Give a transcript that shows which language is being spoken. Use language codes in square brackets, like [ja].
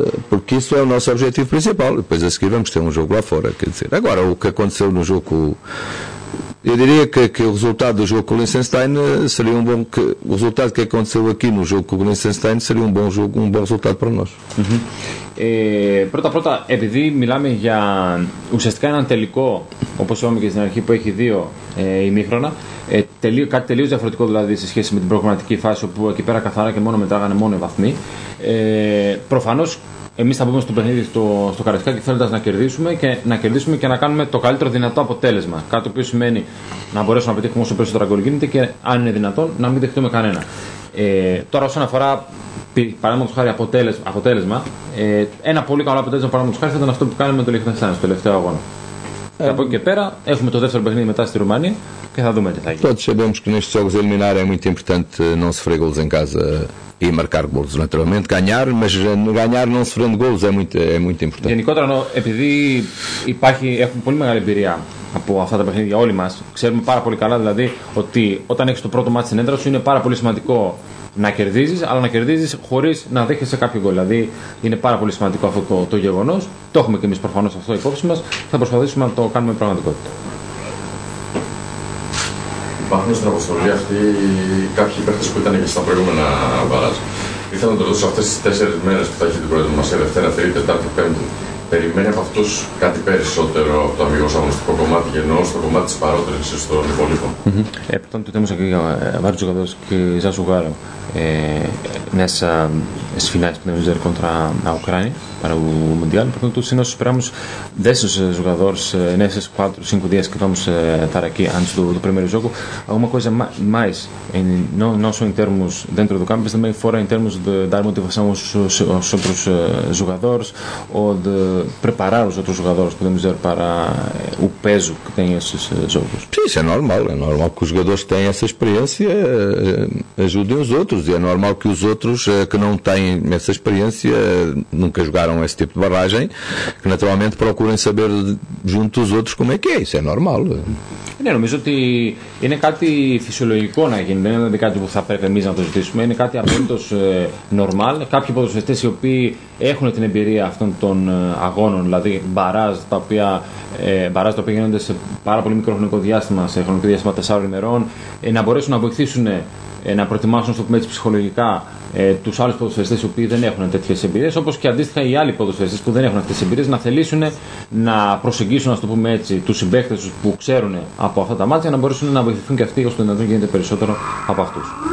[pt] Porque isso é o nosso objetivo principal. Depois a seguir vamos ter um jogo lá fora. Quer dizer, agora o que aconteceu no jogo, eu diria que o resultado do jogo com o Liechtenstein seria um bom, que o resultado que aconteceu aqui no jogo com o Liechtenstein seria um bom jogo, um bom resultado para nós. [el] Πρώτα, επειδή μιλάμε για ουσιαστικά έναν τελικό, όπως είπαμε και στην αρχή, που έχει δύο ημίχρονα, κάτι τελείως διαφορετικό δηλαδή σε σχέση με την προγραμματική φάση, όπου εκεί πέρα καθαρά και μόνο μετράγανε μόνο οι βαθμοί. Προφανώς εμείς θα μπούμε στο παιχνίδι στο Καραϊσκάκη θέλοντας να κερδίσουμε και να κερδίσουμε και να κάνουμε το καλύτερο δυνατό αποτέλεσμα. Κάτι που σημαίνει να μπορέσουμε να πετύχουμε όσο περισσότερο γκολ γίνεται και, αν είναι δυνατόν, να μην δεχτούμε κανένα. Τώρα, όσον αφορά, παραδείγματος χάρη, αποτέλεσμα, ένα πολύ καλό αποτέλεσμα, παραδείγματος χάρη, θα ήταν αυτό που κάνουμε το Λιχτενστάιν στο τελευταίο αγώνα. Και από εκεί και πέρα έχουμε το δεύτερο παιχνίδι μετά στη Ρουμανία και θα δούμε τι θα γίνει. Todos sabemos que nestes jogos eliminar é muito importante não sofrer gols em casa e marcar gols, naturalmente. Ganhar, mas ganhar não sofrendo gols é muito importante. Γενικότερα, επειδή έχουμε πολύ μεγάλη εμπειρία από αυτά τα παιχνίδια όλοι μας, ξέρουμε πάρα πολύ καλά δηλαδή ότι όταν έχεις το πρώτο μάτι στην έδρα σου είναι πάρα πολύ σημαντικό να κερδίζεις, αλλά να κερδίζεις χωρίς να δέχεσαι κάποιο γκολ. Δηλαδή είναι πάρα πολύ σημαντικό αυτό το γεγονός. Το έχουμε και εμείς προφανώς αυτό υπόψη μας. Θα προσπαθήσουμε να το κάνουμε πραγματικότητα. Υπάρχουν στην αποστολή αυτή κάποιοι παίχτες που ήταν και στα προηγούμενα μπαλάζ. Ήθελα να το ρωτήσω, αυτές τις τέσσερις μέρες που θα έχει την προετοιμασία, Δευτέρα, Τρίτη, Τετάρτη, Πέμπτη, περιμένει από αυτούς κάτι περισσότερο από το αμυγός αγωνιστικό κομμάτι, και εννοώ στο κομμάτι της παρότρινσης των υπολείπων? Επίσης, το θέμα είναι και για βάρος και για σουγάρο. [pt] Nessas finais, podemos dizer, contra a Ucrânia, para o Mundial. Portanto, se nós esperamos desses jogadores, nesses 4, 5 dias que vamos estar aqui antes do primeiro jogo, alguma coisa mais, não só em termos dentro do campo, mas também fora, em termos de dar motivação aos outros jogadores ou de preparar os outros jogadores, podemos dizer, para o peso que têm esses jogos. Sim, isso é normal que os jogadores que têm essa experiência ajudem os outros. E é normal que os outros que não têm essa experiência, nunca jogaram esse tipo de barragem, que naturalmente procurem saber junto dos outros como é que é. Isso é normal. [el] Ναι, νομίζω ότι είναι κάτι φυσιολογικό να γίνει, δεν είναι κάτι που θα πρέπει εμείς να το ζητήσουμε. Είναι κάτι απολύτως normal. Κάποιοι ποδοσφαιριστές οι οποίοι έχουν την εμπειρία αυτών των αγώνων, δηλαδή μπαράζ τα οποία γίνονται σε πάρα πολύ μικρό χρονικό διάστημα, σε χρονικό διάστημα 4 ημερών, να μπορέσουν να βοηθήσουν να προετοιμάσουν, στο πούμε, ψυχολογικά τους άλλους ποδοσφαιριστές οι οποίοι δεν έχουν τέτοιες εμπειρίες, όπως και αντίστοιχα οι άλλοι ποδοσφαιριστές που δεν έχουν αυτές τις εμπειρίες να θελήσουν να προσεγγίσουν, ας το πούμε έτσι, τους συμπαίκτες τους που ξέρουν από αυτά τα μάτια, να μπορέσουν να βοηθηθούν και αυτοί ώστε να δουν γίνεται περισσότερο από αυτούς.